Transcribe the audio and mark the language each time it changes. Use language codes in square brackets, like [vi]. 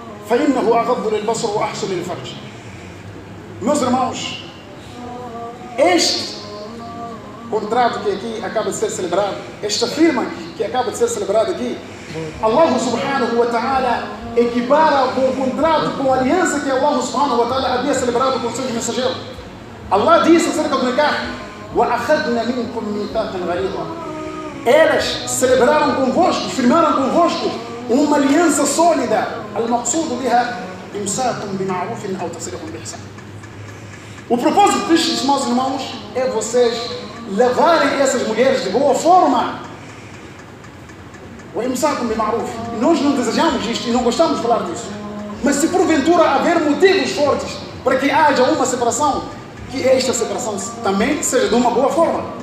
[ar] فَإِنَّهُ أَغَضُّ لِلْبَصْرُ وَأَحْسُنُ لِلْفَرْجِ. [pt] Meus irmãos, este contrato que aqui acaba de ser celebrado, esta firma que acaba de ser celebrada aqui, Allah subhanahu wa ta'ala equipara com o contrato, com a aliança que Allah subhanahu wa ta'ala havia celebrado com os seus mensageiros. Allah disse acerca do nikah: [ar] وَأَخَذْنَا مِنْكُمْ مِيثَاقًا غَلِيظًا. [pt] Elas celebraram convosco, firmaram convosco uma aliança sólida. [ar] المقصود بها امساك بمعروف او تصريح باحسان. [pt] O propósito destes meus irmãos é vocês levarem essas mulheres de boa forma. [ar] O امساك بمعروف. [pt] Nós não desejamos isto e não gostamos de falar disso. Mas se porventura haver motivos fortes para que haja uma separação, que esta separação também seja de uma boa forma.